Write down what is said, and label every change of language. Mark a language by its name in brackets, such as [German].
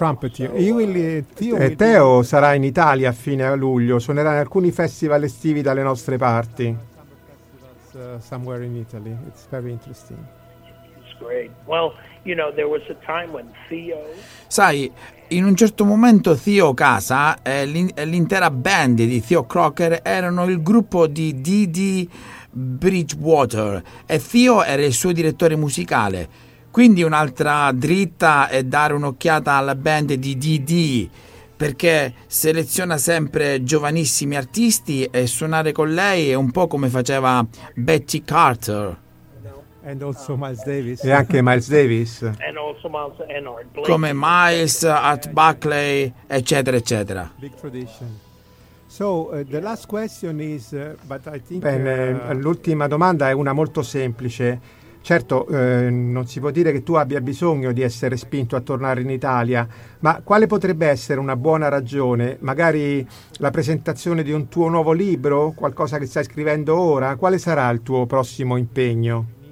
[Italian] Theo sarà in Italia a fine luglio, suonerà in alcuni festival estivi dalle nostre parti. [English] Somewhere in Italy. It's very interesting. It's great. Well, you know, there was a time when Theo... [Italian] Sai, in un certo momento Theo Casa e l'intera band di Theo Crocker erano il gruppo di Dee Bridgewater e Theo era il suo direttore musicale. Quindi un'altra dritta è dare un'occhiata alla band di Dee, perché seleziona sempre giovanissimi artisti e suonare con lei è un po' come faceva Betty Carter. [English] And also Miles Davis. [Italian] E anche Miles Davis. [English] And also Miles and Art Blakey. [Italian] Come Miles, Art Buckley, eccetera, eccetera. [English] Big tradition. So, the last question is, but I think... [Italian] Bene, l'ultima domanda è una molto semplice. Certo, non si può dire che tu abbia bisogno di essere spinto a tornare in Italia, ma quale potrebbe essere una buona ragione? Magari la presentazione di un tuo nuovo libro? Qualcosa che stai scrivendo ora? Quale sarà il tuo prossimo impegno?